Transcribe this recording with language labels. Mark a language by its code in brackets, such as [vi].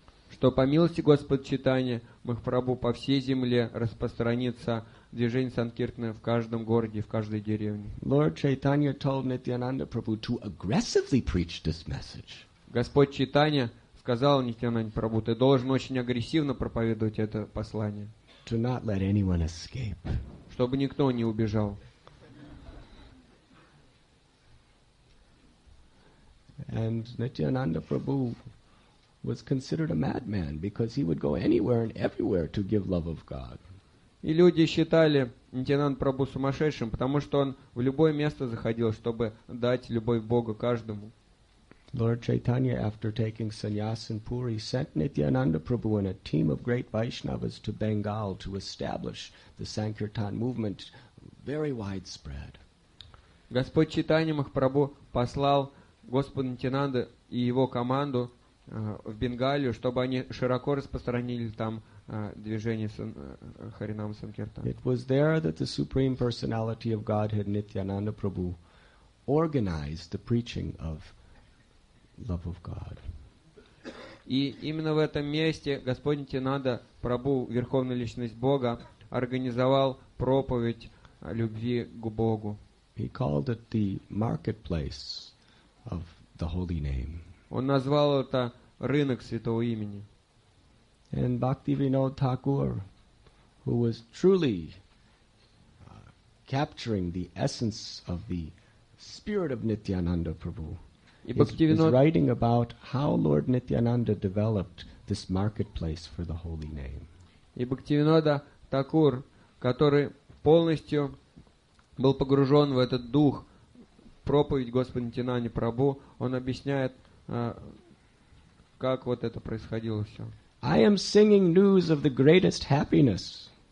[ru] Что по милости Господа Чайтаньи Махапрабху по всей земле распространится движение санкиртаны в каждом городе, в каждой деревне. [en] Lord Chaitanya told Nityananda Prabhu to aggressively preach this message. [ru] Господь Чайтанья сказал Нитьянанде Прабху, ты должен очень агрессивно проповедовать это послание. [en] To not let anyone escape. [ru] Чтобы никто не убежал. [en] And Nityananda Prabhu was considered a madman because he would go anywhere and everywhere to give love of God. [ru] И люди считали Нитьянанда Прабху сумасшедшим, потому что он в любое место заходил, чтобы дать любовь Бога каждому. [en] Lord Chaitanya, after taking sannyas in Puri, sent Nityananda Prabhu and a team of great Vaishnavas to Bengal to establish the Sankirtan movement very widespread. [ru] Господь Чайтанья Махапрабху послал Господа Нитьянанду и его команду в Бенгалию, чтобы они широко распространили там движение Харинама Санкиртан. [en] It was there that the Supreme Personality of Godhead, Nityananda Prabhu, organized the preaching of love of God. [ru] И именно в этом месте Господь Нитьянанда Прабху, Верховная Личность Бога, организовал проповедь о любви к Богу. [en] He called it the marketplace of the holy name. [ru] Он назвал это рынок святого имени. [en] And Bhaktivinoda Thakur, who was truly capturing the essence of the spirit of Nityananda Prabhu, is writing about how Lord Nityananda developed this marketplace for the holy name. [ru] И Бхактивинода Такур, который полностью был погружен в этот дух, проповедь Господа Нитьянанды Прабху, он объясняет, как вот это происходило все. [en] I am singing news of the greatest happiness.